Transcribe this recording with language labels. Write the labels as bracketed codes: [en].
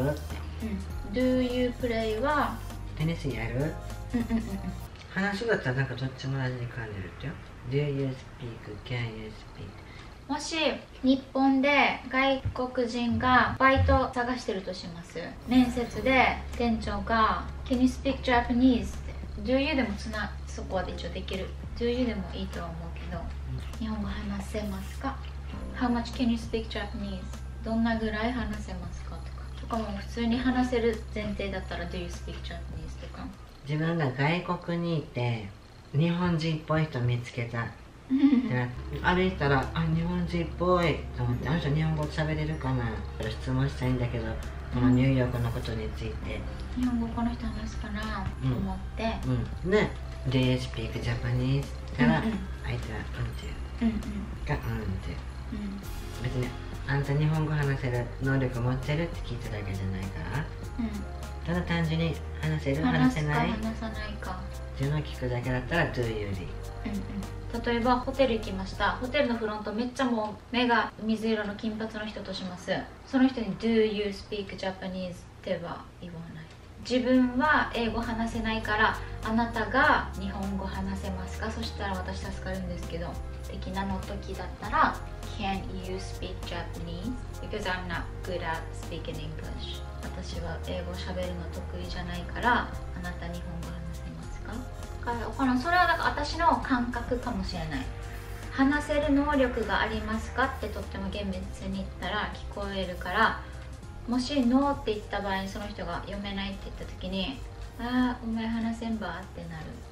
[ja] うん。 [en] Do you play は、 [ja] テニスやる？うんうんうん。話だったらなんかどっちも同じに感じるってよ。 [en] Do you speak? Can you speak? [ja] もし日本で外国人がバイト探してるとします。面接で店長が [en] Can you speak Japanese? [ja] って Do you でもつな、そこは一応できる。Do you でもいいとは思うけど、日本語話せますか？ [en] How much can you speak Japanese? [ja] どんなぐらい話せますかとか、とかも普通に話せる前提だったら [en] Do you speak Japanese? [ja] とか、自分が外国にいて日本人っぽい人見つけたって歩いたら、あ、日本人っぽいと思って、あの人日本語喋れるかな、質問したいんだけど、このニューヨークのことについて、日本語この人話すかなと思って、 [en] うんうん、で、 Do you speak Japanese? [ja] から相手はうんって言う、がうんって言う、別にあんた日本語話せる能力持ってるって聞いただけじゃないから、うん、ただ単純に話せる話せない、話さないかっていうのを聞くだけだったら Do you り、うんうん、例えばホテル行きました。ホテルのフロントめっちゃもう目が水色の金髪の人とします。その人に [en] Do you speak Japanese [ja] っては言わない。自分は英語話せないから、あなたが日本語話せますか、そしたら私助かるんですけど、的なの時だったら、 [en] Can you speak Japanese? Because I'm not good at speaking English. [ja] 私は英語喋るの得意じゃないから、あなた日本語話せますか？それはなんか私の感覚かもしれない。話せる能力がありますかってとっても厳密に言ったら聞こえるから、もしノーって言った場合にその人が読めないって言った時に、あーお前話せんばってなる。